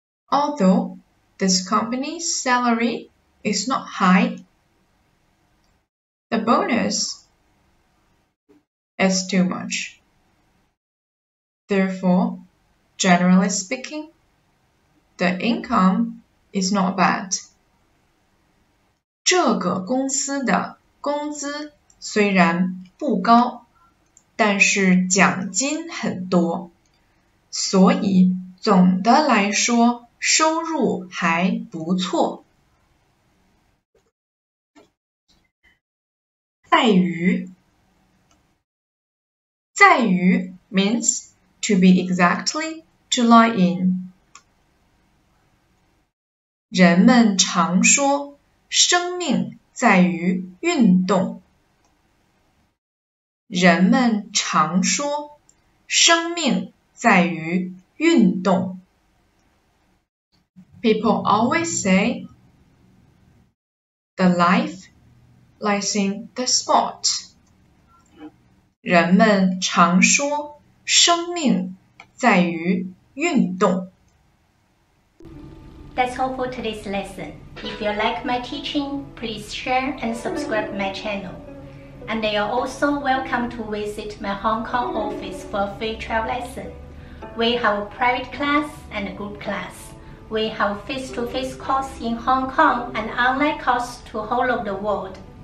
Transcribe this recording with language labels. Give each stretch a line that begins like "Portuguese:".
English: Although this company's salary is not high, the bonus is too much. Therefore, generally speaking, the income is not bad.
Chinese: 这个公司的工资虽然不高，但是奖金很多，所以总的来说收入还不错。
English: 在于 means to be exactly, to lie in.
Chinese: 人们常说生命在于运动。人们常说生命在于运动。
English: People always say the life lies in the sport.
Chinese: 人们常说生命在于运动。
English: That's all for today's lesson. If you like my teaching, please share and subscribe my channel. And you are also welcome to visit my Hong Kong office for a free trial lesson. We have a private class and a group class. We have face-to-face course in Hong Kong and online course to whole of the world.